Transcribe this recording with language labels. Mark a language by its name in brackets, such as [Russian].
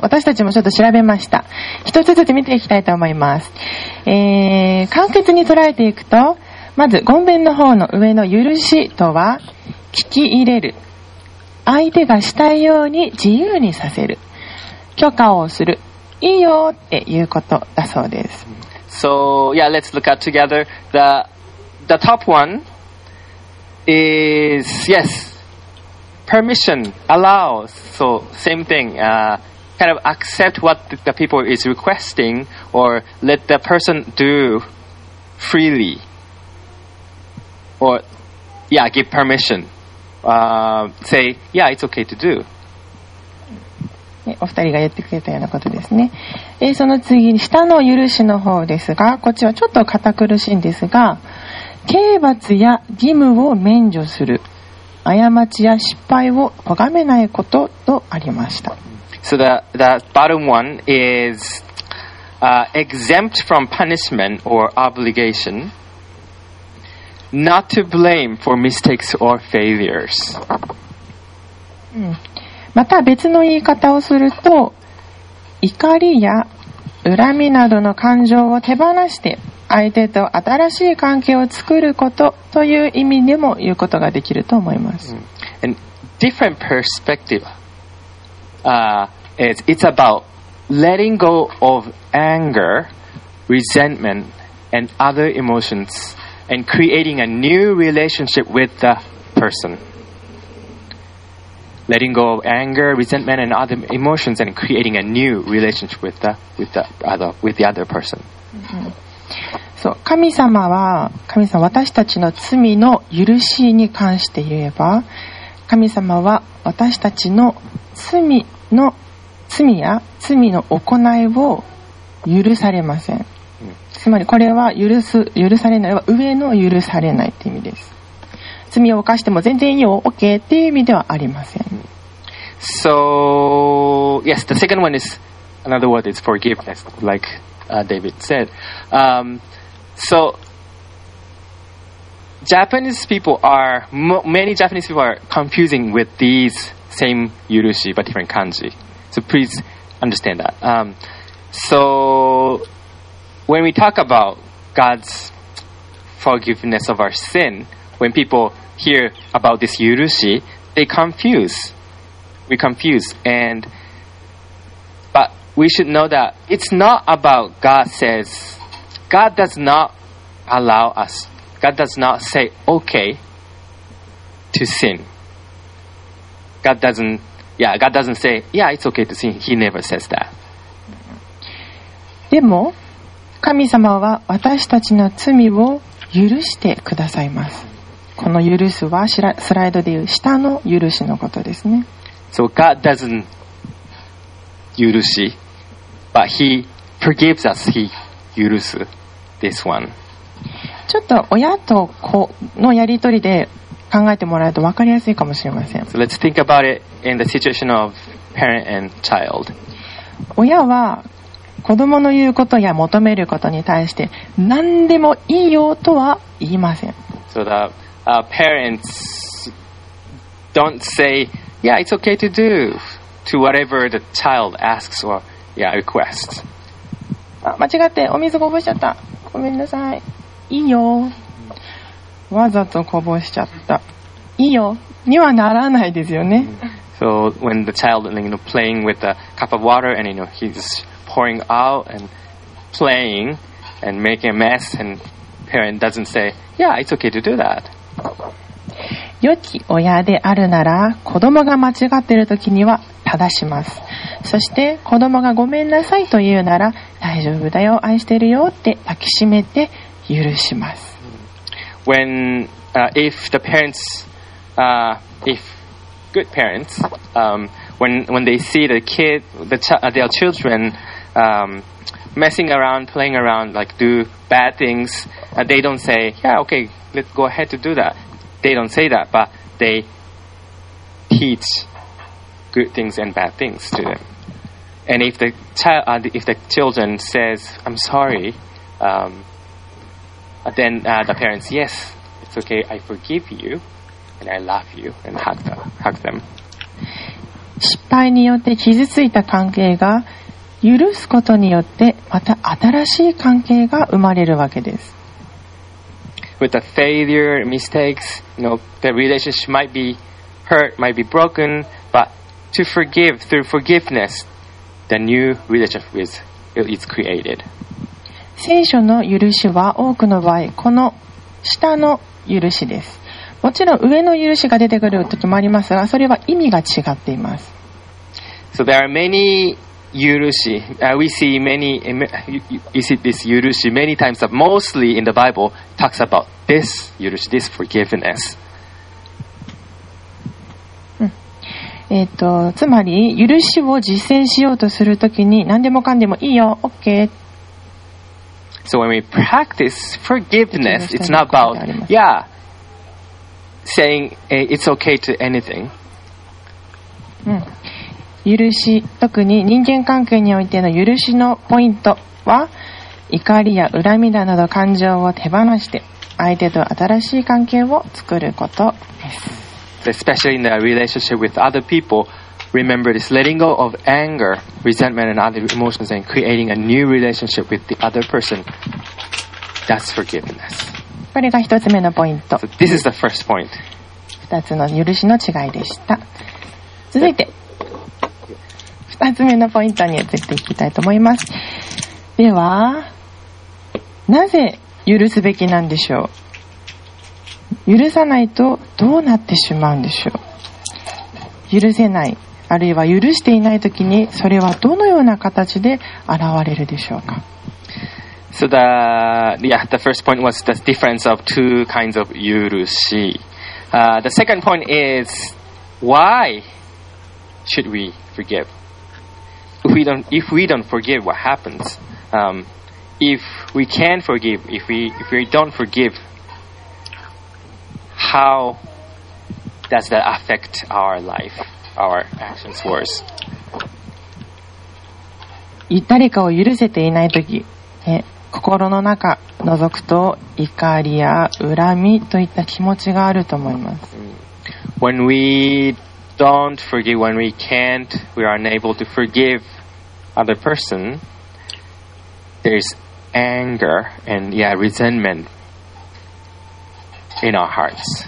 [Japanese] 私たちもちょっと調べました。一つずつ見ていきたいと思います。簡潔に捉えていくと、まず、言文の方の上の許しとは、聞き入れる。相手がしたいように自由にさせる。許可をする。いいよっていうことだそうです。 [English] So yeah, let's look at together. The top one is yes, permission, allow. So same thing, kind of accept what the people is requesting or let the person do freely or yeah, give permission. Say, yeah, it's okay to do. [Japanese] お二人が言ってくれたようなことですね。その次に下の許しの方ですが、こっちはちょっと堅苦しいんですが、刑罰や義務を免除する、過ちや失敗を咎めないこととありました。 [English] So the bottom one is exempt from punishment or obligation, not to blame for mistakes or failures. [Japanese] うん、また別の言い方をすると、怒りや恨みなどの感情を手放して相手と新しい関係を作ることという意味でも言うことができると思います、 mm. [English] And different perspective is it's about letting go of anger, resentment and other emotions and creating a new relationship with the person. Letting go of anger, resentment and other emotions and creating a new relationship with the other person. [Japanese] そう、神様は、神様、私たちの罪の許しに関して言えば、神様は私たちの罪や罪の行いを許されません。つまりこれは許されないは上の許されないという意味です。罪を犯しても全然いいよ、OK っていう意味ではありません。 [English] So, yes, the second one is, another word is forgiveness, like、David said.、So, Japanese people are, many Japanese people are confusing with these same 許し but different kanji. So please understand that.、So, when we talk about God's forgiveness of our sin, when people hear about this 許し, they confuse. We confuse. And, but we should know that it's not about God says, God does notAllow us. God does not say okay to sin. God doesn't say, yeah, it's okay to sin. He never says that. [Japanese] でも、神様は私たちの罪を許してくださいます。この許すはスライドで言う下の許しのことですね。 [English] So God doesn't 許し, but He forgives us. He 許す this one. [Japanese] ちょっと親と子のやり取りで考えてもらうと分かりやすいかもしれません。 [English] So let's think about it in the situation of parent and child. [Japanese] 親は子供の言うことや求めることに対して何でもいいよとは言いません。 [English] So the、parents don't say, yeah, it's okay to do to whatever the child asks or yeah, requests. [Japanese] 間違ってお水こぼしちゃった。ごめんなさい。いいよ。わざとこぼしちゃった。いいよ。にはならないですよね。 [English] So when the child you know, playing with a cup of water and you know, he's pouring out and playing and making a mess and parent doesn't say, yeah, it's okay to do that. [Japanese] 良き親であるなら子供が間違っている時には正します。そして子供がごめんなさいと言うなら大丈夫だよ、愛してるよって抱きしめて許します。 [English] When、if the parents,、if good parents,、when they see the kid, the their children、messing around, playing around, like do bad things,、they don't say, yeah, okay, let's go ahead to do that. They don't say that, but they teach good things and bad things to them. And if the child,、if the children says, I'm sorry,、then the parents, yes, it's okay, I forgive you, and I love you, and hug them. [Japanese] 失敗によって傷ついた関係が許すことによってまた新しい関係が生まれるわけです。 [English] With the failure, mistakes, you know, the relationship might be hurt, might be broken, but to forgive, through forgiveness, the new relationship is created. [Japanese] 聖書の許しは多くの場合この下の許しです。もちろん上の許しが出てくる時もありますが、それは意味が違っています。 [English] So there are many 許し、we see many, you see this 許し many times, but mostly in the Bible talks about this 許し, this forgiveness. [Japanese] つまり許しを実践しようとするときに何でもかんでもいいよ、OK。 [English] So when we practice forgiveness, it's not about, yeah, saying it's okay to anything. [Japanese] 許し、特に人間関係においての許しのポイントは、怒りや恨みだなど感情を手放して、相手と新しい関係を作ることです。 [English] Especially in the relationship with other people, remember this letting go of anger, resentment and other emotions and creating a new relationship with the other person. That's forgiveness. [Japanese] これが一つ目のポイント。 [English] So this is the first point. [Japanese] 二つの許しの違いでした。続いて、二つ目のポイントに移っていきたいと思います。では、なぜ許すべきなんでしょう。許さないとどうなってしまうんでしょう。許せない、あるいは許していないときに、それはどのような形で現れるでしょうか。 [English] So the, yeah, the first point was the difference of two kinds of 許し。 The second point is, why should we forgive? If we don't forgive, what happens? If we can forgive, if we don't forgive, how does that affect our life, our actions, words? [Japanese] 誰かを許せていないとき、心の中覗くと怒りや恨みといった気持ちがあると思います。 [English] When we don't forgive, when we can't, we are unable to forgive other person, there's anger and yeah, resentment in our hearts.